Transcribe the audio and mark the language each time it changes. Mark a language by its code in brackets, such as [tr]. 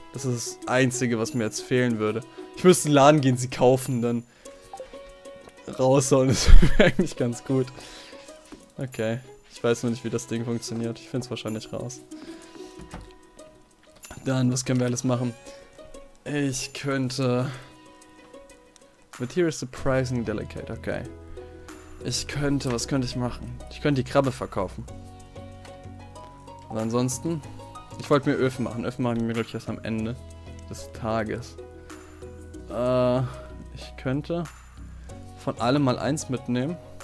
[de] Das ist das Einzige, was mir jetzt fehlen würde. Ich müsste in den Laden gehen, sie kaufen, dann raushauen. Das wäre eigentlich ganz gut. Okay. Ich weiß noch nicht, wie das Ding funktioniert. Ich finde es wahrscheinlich raus. Dann, was können wir alles machen? Ich könnte... [en] But here is surprisingly delicate, okay. [de] Ich könnte, was könnte ich machen? Ich könnte die Krabbe verkaufen. Und ansonsten... Ich wollte mir Öfen machen. Öfen machen wir wirklich erst am Ende des Tages. Ich könnte von allem mal eins mitnehmen.